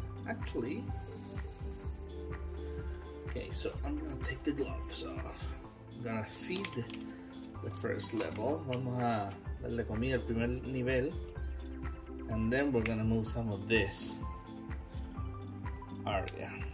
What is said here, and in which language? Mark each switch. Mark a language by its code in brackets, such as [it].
[en] Actually, okay, so I'm gonna take the gloves off. I'm gonna feed the first level. [es] Vamos a darle comida al primer nivel. [en] And then we're gonna move some of this area.